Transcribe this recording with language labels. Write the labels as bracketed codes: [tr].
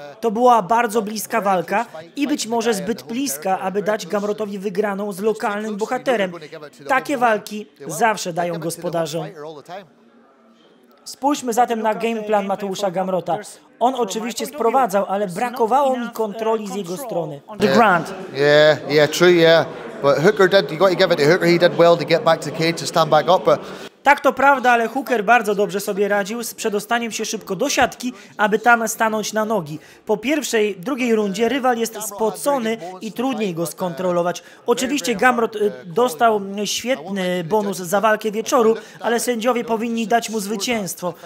[pl] To była bardzo bliska walka i być może zbyt bliska, aby dać Gamrotowi wygraną z lokalnym bohaterem. Takie walki zawsze dają gospodarzom. Spójrzmy zatem na game plan Mateusza Gamrota. On oczywiście sprowadzał, ale brakowało mi kontroli z jego strony. [en] The Grand. Yeah, true. But Hooker did. You got to give it to Hooker. He did well to get back to cage to stand back up. But... [pl] Tak, to prawda, ale Hooker bardzo dobrze sobie radził z przedostaniem się szybko do siatki, aby tam stanąć na nogi. Po pierwszej, drugiej rundzie rywal jest spocony i trudniej go skontrolować. Oczywiście Gamrot dostał świetny bonus za walkę wieczoru, ale sędziowie powinni dać mu zwycięstwo.